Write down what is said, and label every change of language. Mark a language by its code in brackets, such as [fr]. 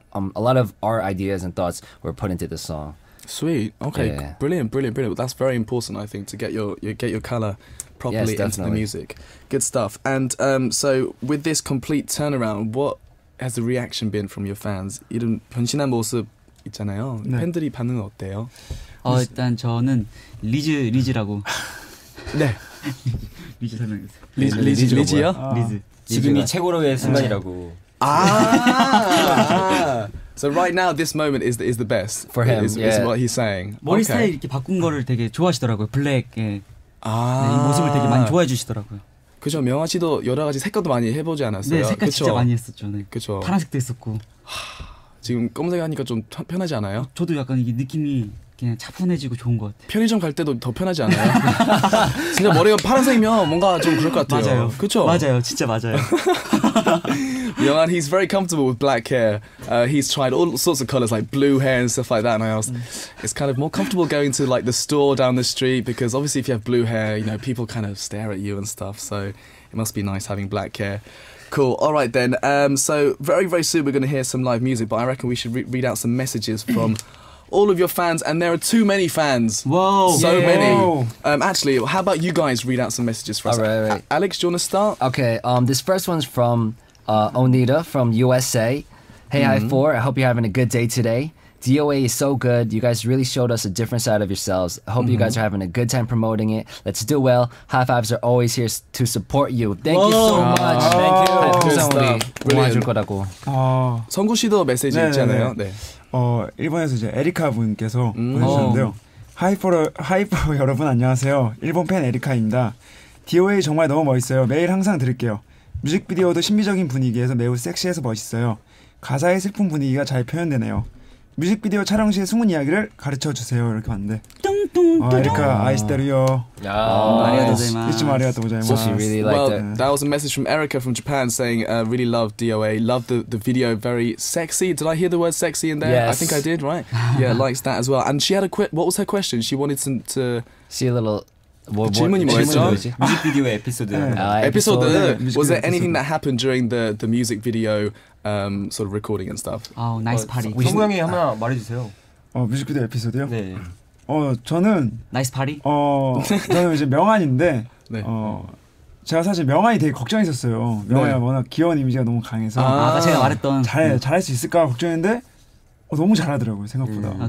[en] A lot of our ideas and thoughts were put into the song. Sweet. Okay. Yeah. Brilliant. That's very important, I think, to get your color properly yes, into the music. Good stuff. And so with this complete turnaround, what has the reaction been from your fans? [ko] 이런 변신한 모습 있잖아요. 네. 팬들이 반응은 어때요? 일단 저는 리즈라고. 네. 리즈 설명해주세요. 리즈요? 리즈. 지금이 최고로의 순간이라고. Ah! [en] So right now, this moment is the best for him. Is what he's saying. [ko] 머리스타일 이렇게 바꾼 거를 되게 좋아하시더라고요. 블랙의 아~ 네, 모습을 되게 많이 좋아해 주시더라고요. 그죠. 명아 씨도 여러 가지 색깔도 많이 해보지 않았어요. 네, 색깔 그쵸? 진짜 많이 했었죠. 네. 그죠. 파란색도 했었고. 지금 검색하니까 좀 편하지 않아요? 저도 약간 이게 느낌이 그냥 차분해지고 좋은 것 같아요. 편의점 갈 때도 더 편하지 않아요? 진짜 머리가 파란색이면 뭔가 좀 그럴 것 같아요. 맞아요. 그죠. 맞아요. 진짜 맞아요. [en] Myung-han, he's very comfortable with black hair. He's tried all sorts of colors, like blue hair and stuff like that. And I was, it's kind of more comfortable going to like the store down the street because obviously if you have blue hair, you know, people kind of stare at you and stuff. So it must be nice having black hair. Cool. All right then. So very, very soon we're going to hear some live music, but I reckon we should read out some messages from all of your fans. And there are too many fans. Whoa. So yeah. many. Actually, how about you guys read out some messages for us? All right, right. Alex, do you want to start? Okay. This first one's from... Onita from USA. Hey, I4, I hope you're having a good day today. DOA is so good. You guys really showed us a different side of yourselves. I hope you guys are having a good time promoting it. Let's do well. High fives are always here to support you. Thank you so much. Thank you. [ko] 감사합니다. 도와줄 거라고. 성구 씨도 메시지 있잖아요. 네. 일본에서 이제 에리카 분께서 보내주셨는데요. 하이퍼 여러분 안녕하세요. 일본 팬 에리카입니다. DOA 정말 너무 멋있어요. 매일 항상 들을게요. 뮤직비디오도 신비적인 분위기에서 매우 섹시해서 멋있어요. 가사의 슬픈 분위기가 잘 표현되네요. 뮤직비디오 촬영 시의 숨은 이야기를 가르쳐 주세요. 이렇게 왔는데. 에리카, 아이스테리오. 야, 안녕하세요. [en] Really liked it. Well, that was a message from Erica from Japan saying, really love DOA, love the video, very sexy. Did I hear the word sexy in there? Yes. I think I did, right? Yeah, likes that as well. And she had a quick. What was her question? She wanted to see a little. [ko] 질문이 뭐였죠? 뮤직비디오의 에피소드. 에피소드. [en] Was there anything that happened during the music video sort of recording and stuff? Oh, nice party. [ko] 성구 형이 하나 말해주세요. 뮤직비디오 에피소드요? 네. 저는 [en] nice party. [ko] 저는 이제 명한인데, 제가 사실 명한이 되게 걱정했었어요. 명한이 워낙 귀여운 이미지가 너무 강해서. 아, 제가 말했던. 잘할 수 있을까 걱정했는데. 너무 잘하더라고요 생각보다.